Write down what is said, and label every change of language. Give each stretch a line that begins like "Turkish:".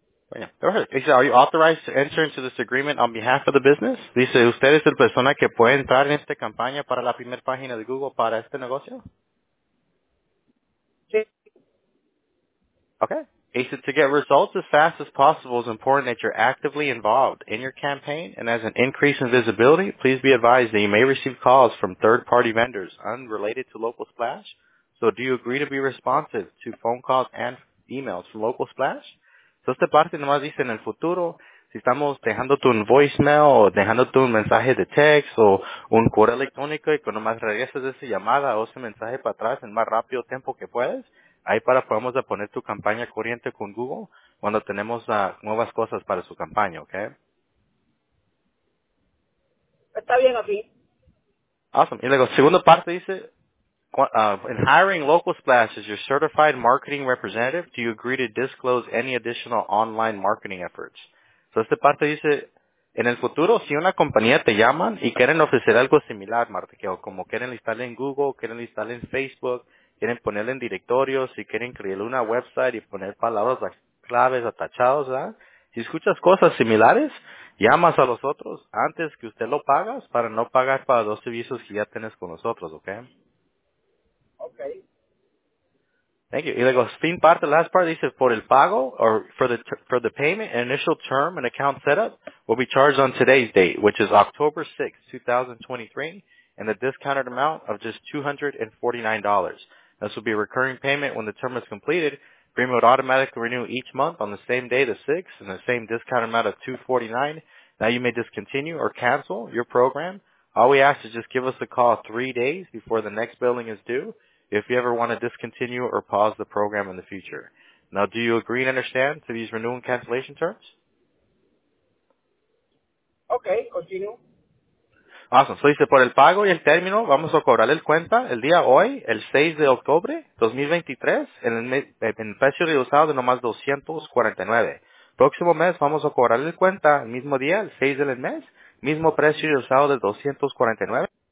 Spanish: Bueno,
English: are you authorized to enter into this agreement on behalf of the business?
Spanish: Dice, ¿usted es la persona que puede entrar en esta campaña para la primera página de Google para este negocio? Sí.
English: Okay. He said, to get results as fast as possible, it's important that you're actively involved in your campaign, and as an increase in visibility, please be advised that you may receive calls from third-party vendors unrelated to Local Splash. So, do you agree to be responsive to phone calls and emails from Local Splash?
Spanish: So, esta parte nomás dice en el futuro, si estamos dejándote un voicemail o dejándote un mensaje de text o un correo electrónico y que nomás regreses esa llamada o ese mensaje para atrás en más rápido tiempo que puedes, ahí para podemos poner tu campaña corriente con Google cuando tenemos nuevas cosas para su campaña, ¿ok? Está bien, así.
English: Awesome.
Spanish: Y luego, segunda parte dice,
English: In hiring Local Splash as your certified marketing representative, do you agree to disclose any additional online marketing efforts?
Spanish: So esta parte dice, en el futuro, si una compañía te llama y quieren ofrecer algo similar, Marta, que o como quieren listarle en Google, quieren listarle en Facebook, quieren ponerle en directorios, si quieren crearle una website y poner palabras claves atachados, ¿verdad? Si escuchas cosas similares, llamas a los otros antes que usted lo pagas para no pagar para dos servicios que ya tienes con nosotros, ¿ok?
English: Okay. Thank you.
Spanish: Y luego, fin parte,
English: last part,
Spanish: dice,
English: for
Spanish: el pago,
English: or for the payment, an initial term and account setup will be charged on today's date, which is October 6, 2023, and the discounted amount of just $249. This will be a recurring payment when the term is completed. Premium would automatically renew each month on the same day, the 6th, and the same discounted amount of $249. Now you may discontinue or cancel your program. All we ask is just give us a call 3 days before the next billing is due if you ever want to discontinue or pause the program in the future. Now, do you agree and understand to these renewal and cancellation terms? Okay, continue. Awesome.
Spanish: So, dice, por el pago y el término, vamos a cobrarle el cuenta el día hoy, el 6 de octubre, 2023, en precio reducido de nomás $249. Próximo mes, vamos a cobrarle el cuenta el mismo día, el 6 del mes, mismo precio reducido de